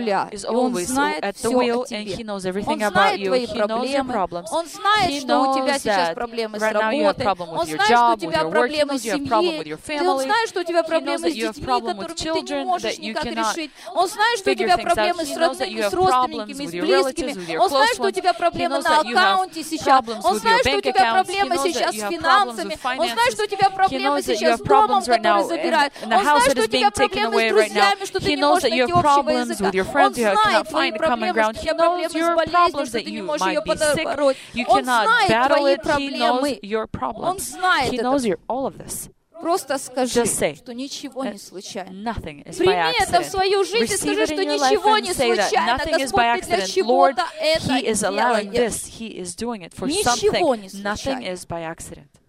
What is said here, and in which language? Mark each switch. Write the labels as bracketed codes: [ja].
[en] Is always at the wheel, and he knows everything about you. He knows your problems. [ru] Он знает, что у тебя сейчас проблемы с работой. [en] Right now you have problems with your job, with your work, you have problems with your family. [ru] Он знает, что у тебя проблемы с детьми, которые ты не можешь никак решить. Он знает, что у тебя проблемы с родными, с родственниками, с близкими. Он знает, что у тебя проблемы на аккаунте сейчас. Он знает, что у тебя проблемы сейчас с финансами. Он знает, что у тебя проблемы сейчас с домом, который забирают. Он знает, что у тебя проблемы с друзьями, что ты не можешь найти общего языка. [en] Your friends, you cannot find a common ground. He knows your problems, that you might be sick. You cannot battle it. He knows your problems. He knows all of this. [ru] Просто скажи, что ничего не случайно. Прими это в свою жизнь и скажи, что ничего не случайно. Господь, ты для чего-то это делаешь. Ничего не случайно.